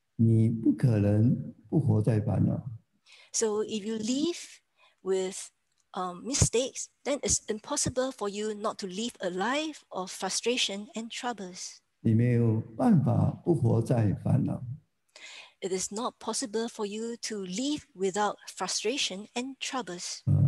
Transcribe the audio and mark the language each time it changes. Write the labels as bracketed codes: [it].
[zh] 你活在错误里，你不可能不活在烦恼。 [en] So if you live with mistakes, then it's impossible for you not to live a life of frustration and troubles. [zh] 你没有办法不活在烦恼。 [en] It is not possible for you to live without frustration and troubles.